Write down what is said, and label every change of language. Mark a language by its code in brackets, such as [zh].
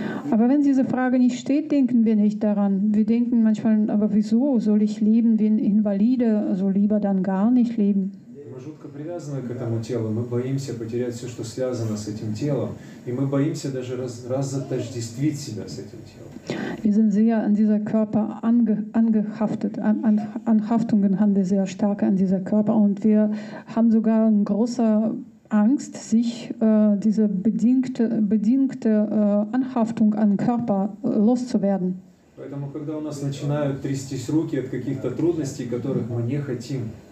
[de] Aber wenn diese Frage nicht steht, denken wir nicht daran. Wir denken manchmal, aber wieso soll ich leben wie ein Invalide, also lieber dann gar nicht leben. [ru] Мы жутко привязаны к этому телу, мы боимся потерять все, что связано с этим телом, и мы боимся даже разотождествить себя с этим телом. [de] Wir sind sehr an dieser Körper angehaftet, an Haftungen haben wir sehr stark an dieser Körper, und wir haben sogar eine große Angst, sich diese bedingte Anhaftung an Körper loszuwerden. [ru] Поэтому, когда у нас начинают трястись руки от каких-то трудностей, которых мы не хотим.